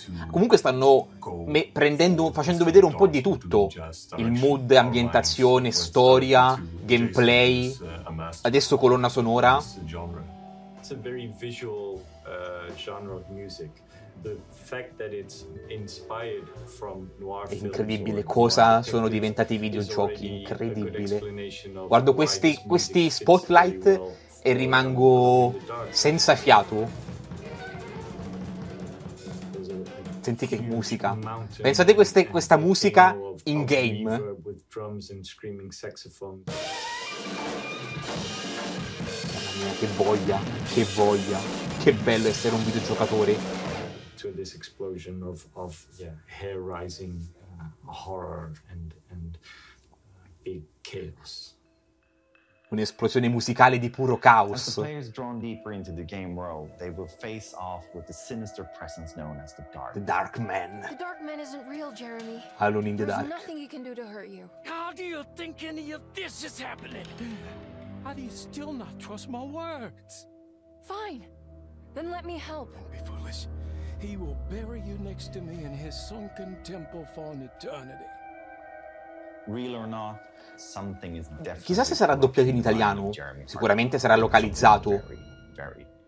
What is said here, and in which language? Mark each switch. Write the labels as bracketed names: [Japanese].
[Italian] Comunque stanno facendo vedere un po' di tutto: il mood, ambientazione, storia, gameplay, adesso colonna sonora. [English] It's a very visual genre of music. The fact that it's inspired from noir films. [Italian] È incredibile cosa sono diventati i videogiochi, incredibile. Guardo questi spotlight e rimango senza fiato. Senti che musica. Pensate questa musica in game. Mamma mia, che voglia, che voglia. Che bello essere un videogiocatore. [English] To this explosion of yeah, hair rising horror and big chaos. [Italian] Un'esplosione musicale di puro caos. [English] As the players drawn deeper into the game world, they will face off with the sinister presence known as the Dark Man. The Dark Man isn't real, Jeremy. Alone in the Dark. There's nothing he can do to hurt you. How do you think any of this is happening? How do you still not trust my words? Fine, then let me help. Don't be foolish. He will bury you next to me in his sunken temple for an eternity. Real or not, something is definitely. [Italian] Chissà se sarà doppiato in italiano. Sicuramente sarà localizzato. [English] Very, very.